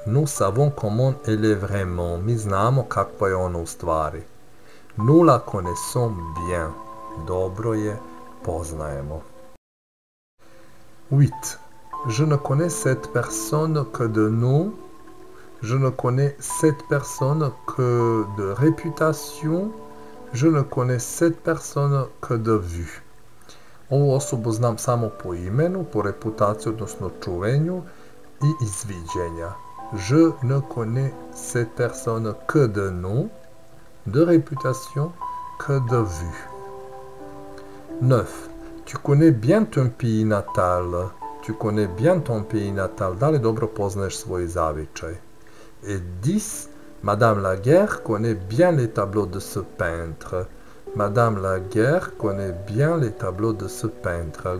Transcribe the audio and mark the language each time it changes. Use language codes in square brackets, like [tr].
[fr] Nous savons comment elle est vraiment. [sr] Mi znamo kakva je ona u stvari. [fr] Nous la connaissons bien. [sr] Dobro je poznajemo. [fr] 8. Je ne connais cette personne que de nom. Je ne connais cette personne que de réputation. Je ne connais cette personne que de vue. [sr] Ovu osobu znam samo po imenu, po reputaciji, odnosno čuvenju i izviđenja. [fr] Je ne connais cette personne que de nom, de réputation, que de vue. 9. Tu connais bien ton pays natal. Tu connais bien ton pays natal. [sr] Da li dobro poznaješ svoj zavičaj? [fr] Et 10. Madame Laguerre connaît bien les tableaux de ce peintre. Madame Laguerre connaît bien les tableaux de ce peintre.